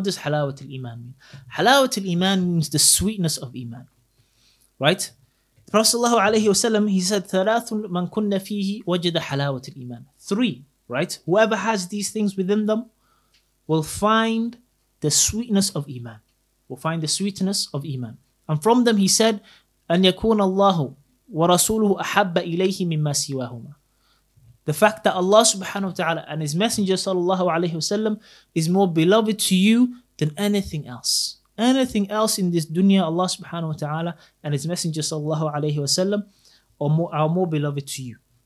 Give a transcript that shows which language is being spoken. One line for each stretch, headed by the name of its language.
English: What does halawat al-iman mean? Halawat al-iman means the sweetness of iman, right? Prophet sallallahu alayhi wa sallam, he said,
Arabic: ثَلَاثٌ مَنْ كُنَّ فِيهِ وَجَدَ حَلَاوَةِ الْإِيمَانِ.
English: Three, right? Whoever has these things within them will find the sweetness of iman. Will find the sweetness of iman. And from them he said,
Arabic: أَنْ يَكُونَ اللَّهُ وَرَسُولُهُ أَحَبَّ إِلَيْهِ مِمَّا سِوَاهُمَا.
English: The fact that Allah subhanahu wa ta'ala and his messenger sallallahu alayhi wa sallam is more beloved to you than anything else. Anything else in this dunya, Allah subhanahu wa ta'ala and his messenger sallallahu alayhi wa sallam are more beloved to you.